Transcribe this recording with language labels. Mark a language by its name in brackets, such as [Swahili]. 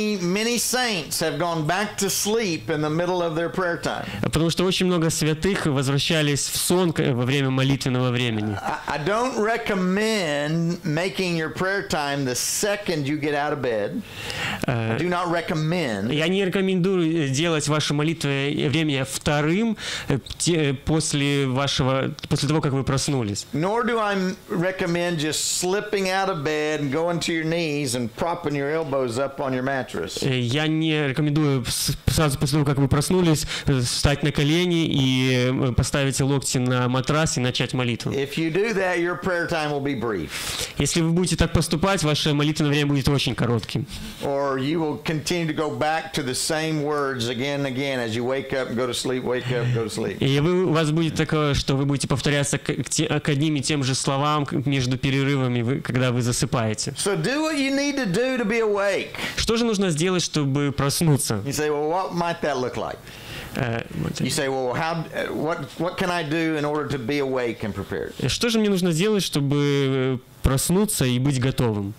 [English] Many saints have gone back to sleep in the middle of their prayer time. [Russian] Потому что очень много святых возвращались в сон во время молитвенного времени. [English] I don't recommend making your prayer time the second you get out of bed. I do not recommend. [Russian] Я не рекомендую делать ваше молитвенное время вторым после того, как вы проснулись. [English] Nor do I recommend just slipping out of bed and going to your knees and propping your elbows up on your mattress. [Russian] Я не рекомендую сразу после того, как вы проснулись, встать на колени и поставить локти на матрас и начать молитву. [English] If you do that, your prayer time will be brief. [Russian] Если вы будете так поступать, ваше молитвенное время будет очень коротким. [English] Or you will continue to go back to the same words again and again as you wake up, go to sleep, wake up, go to sleep. [Russian] И у вас будет такое, что вы будете повторяться к одним и тем же словам между перерывами, когда вы засыпаете. [English] So do what you need to do to be awake. [Russian] Что же нужно сделать, чтобы проснуться? [English] You say, well, what might that look like? You say, well, what can I do in order to be awake and prepared? [Russian] Что же мне нужно сделать, чтобы проснуться и быть готовым?